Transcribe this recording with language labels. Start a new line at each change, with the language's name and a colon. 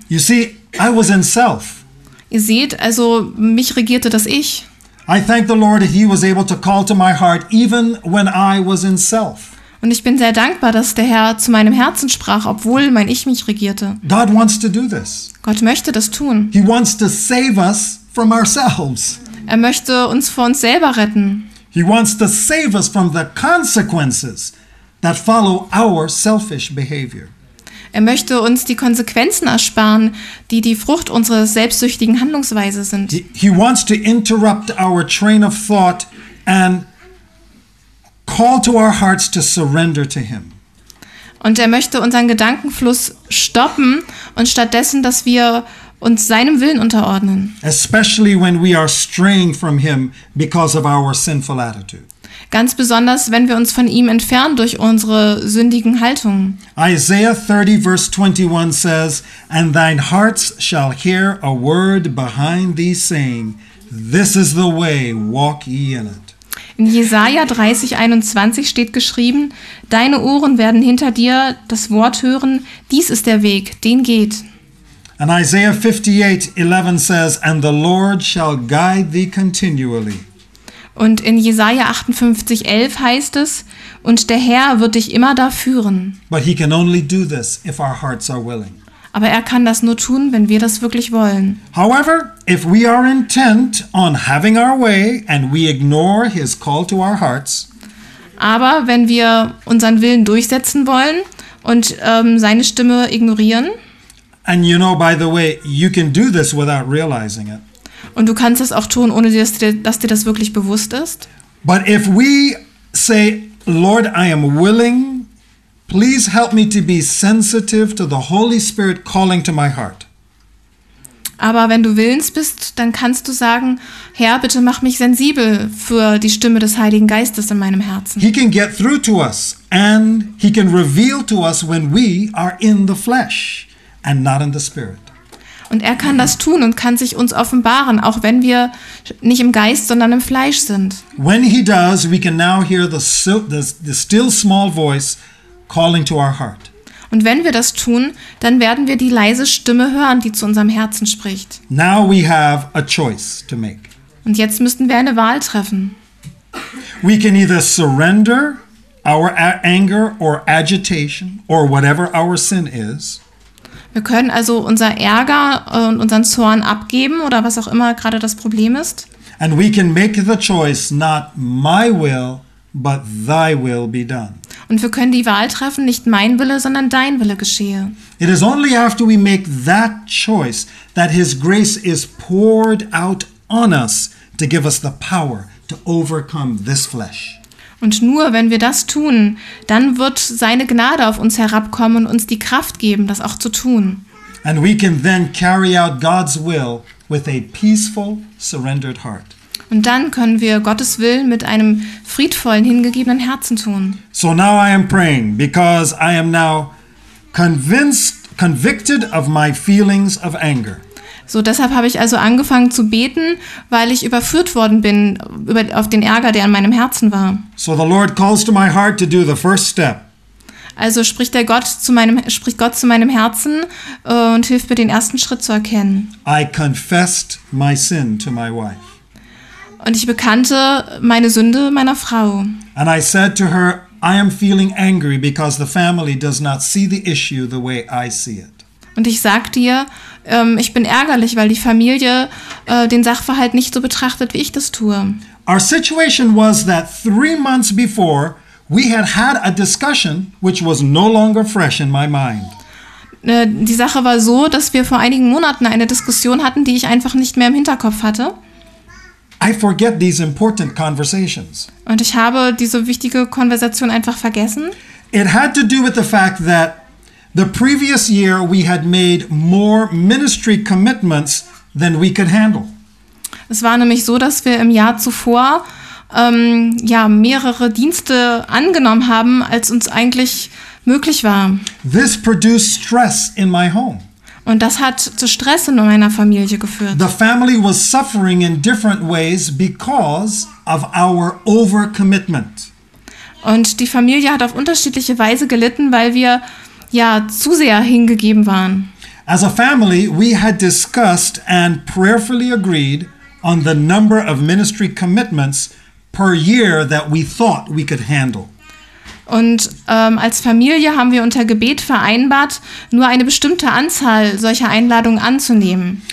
English: You see, I was in self.
German: Ihr seht, also mich regierte das Ich.
English: I thank the Lord that he was able to call to my heart even when I was in self.
German: Und ich bin sehr dankbar, dass der Herr zu meinem Herzen sprach, obwohl mein Ich mich regierte.
English: God wants to do this.
German: Gott möchte das tun.
English: He wants to save us from ourselves.
German: Er möchte uns vor uns selber retten.
English: He wants to save us from the consequences that follow our selfish behavior.
German: Er möchte uns die Konsequenzen ersparen, die die Frucht unserer selbstsüchtigen Handlungsweise sind.
English: He wants to interrupt our train of thought and call to our hearts to surrender to him.
German: Und er möchte unseren Gedankenfluss stoppen und stattdessen, dass wir uns seinem Willen unterordnen.
English: Especially when we are straying from him because of our sinful attitude.
German: Ganz besonders, wenn wir uns von ihm entfernen durch unsere sündigen Haltungen.
English: Isaiah 30, verse 21 says, and thine hearts shall hear a word behind thee, saying, this is the way, walk ye in it.
German: In Jesaja 30, 21 steht geschrieben, deine Ohren werden hinter dir das Wort hören, dies ist der Weg, den geht.
English: And Isaiah 58, 11 says, and the Lord shall guide thee continually.
German: Und in Jesaja 58, 11 heißt es, und der Herr wird dich immer da führen.
English: But he can only do this if our hearts are willing.
German: Aber er kann das nur tun, wenn wir das wirklich wollen.
English: However, if we are intent on having our way and we ignore his call to our hearts,
German: aber wenn wir unseren Willen durchsetzen wollen und seine Stimme ignorieren,
English: and you know, by the way, you can do this without realizing it.
German: Und du kannst das auch tun, ohne dass dir das wirklich bewusst ist.
English: But if we say, Lord, I am willing, please help me to be sensitive to the Holy Spirit calling to my heart.
German: Aber wenn du willens bist, dann kannst du sagen, Herr, bitte mach mich sensibel für die Stimme des Heiligen Geistes in meinem Herzen.
English: He can get through to us and he can reveal to us when we are in the flesh and not in the spirit.
German: Und er kann das tun und kann sich uns offenbaren, auch wenn wir nicht im Geist, sondern im Fleisch sind.
English: When he does, we can now hear the still small voice calling to our heart.
German: Und wenn wir das tun, dann werden wir die leise Stimme hören, die zu unserem Herzen spricht.
English: Now we have a choice to make.
German: Und jetzt müssten wir eine Wahl treffen.
English: We can either surrender our anger or agitation or whatever our sin is.
German: Wir können also unser Ärger und unseren Zorn abgeben oder was auch immer gerade das Problem ist.
English: And we can make the choice, not my will, but thy will be done.
German: Und wir können die Wahl treffen, nicht mein Wille, sondern dein Wille geschehe.
English: It is only after we make that choice that his grace is poured out on us to give us the power to overcome this flesh.
German: Und nur wenn wir das tun, dann wird seine Gnade auf uns herabkommen und uns die Kraft geben, das auch zu tun.
English: And we can then carry out God's will with a peaceful, surrendered heart.
German: Und dann können wir Gottes Willen mit einem friedvollen, hingegebenen Herzen tun.
English: So now I am praying, because I am now convicted of my feelings of anger.
German: So, deshalb habe ich also angefangen zu beten, weil ich überführt worden bin auf den Ärger, der in meinem Herzen war.
English: So the Lord calls to my heart to do the first step.
German: Also spricht Gott zu meinem Herzen und hilft mir, den ersten Schritt zu erkennen.
English: I confessed my sin to my wife.
German: Und ich bekannte meine Sünde meiner Frau.
English: And I said to her, I am feeling angry because the family does not see the issue the way I see it.
German: Und ich sagte ihr, ich bin ärgerlich, weil die Familie den Sachverhalt nicht so betrachtet, wie ich das tue.
English: Our situation was that 3 months before we had had a discussion which was no longer fresh in my mind.
German: Die Sache war so, dass wir vor einigen Monaten eine Diskussion hatten, die ich einfach nicht mehr im Hinterkopf hatte.
English: I forget these important conversations.
German: Und ich habe diese wichtige Konversation einfach vergessen.
English: It had to do with the fact that the previous year we had made more ministry commitments than we could handle.
German: Es war nämlich so, dass wir im Jahr zuvor mehrere Dienste angenommen haben, als uns eigentlich möglich war.
English: This produced stress in my home.
German: Und das hat zu Stress in meiner Familie geführt.
English: The family was suffering in different ways because of our overcommitment.
German: Und die Familie hat auf unterschiedliche Weise gelitten, weil wir ja zu sehr hingegeben waren.
English: As a family, we had discussed and prayerfully agreed on the number of ministry commitments per year that we thought we could handle.
German: Und als Familie haben wir unter Gebet vereinbart, nur eine bestimmte Anzahl solcher Einladungen anzunehmen.